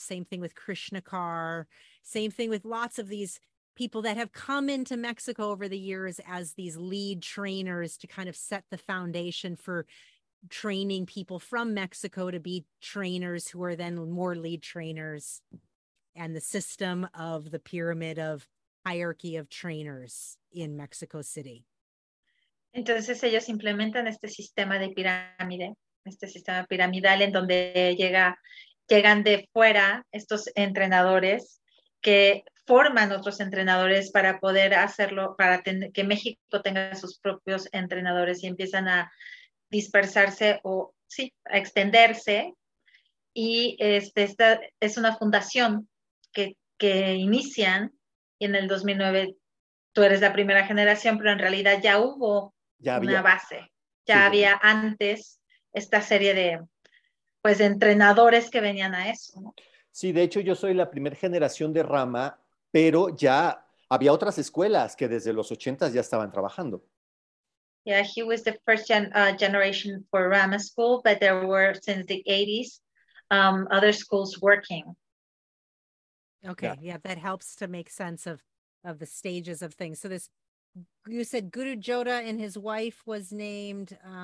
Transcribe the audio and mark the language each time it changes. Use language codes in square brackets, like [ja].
[en] Same thing with Krishnakar. Same thing with lots of these people that have come into Mexico over the years as these lead trainers to kind of set the foundation for training people from Mexico to be trainers who are then more lead trainers, and the system of the pyramid of hierarchy of trainers in Mexico City. [es] Entonces ellos implementan este sistema de pirámide, este sistema piramidal en donde llegan de fuera estos entrenadores que forman otros entrenadores para poder hacerlo, para que México tenga sus propios entrenadores, y empiezan a dispersarse o sí, a extenderse. Y esta es una fundación que inician, y en el 2009 tú eres la primera generación, pero en realidad ya hubo una base. Ya sí, había antes esta serie de, pues, de entrenadores que venían a eso, ¿no? Sí, de hecho yo soy la primera generación de Rama, pero ya había otras escuelas que desde los 80s ya estaban trabajando. [en] Yeah, he was the first generation for Rama School, but there were since the 80s other schools working. Okay, yeah, that helps to make sense of the stages of things. So this, you said Guru Jodha and his wife was named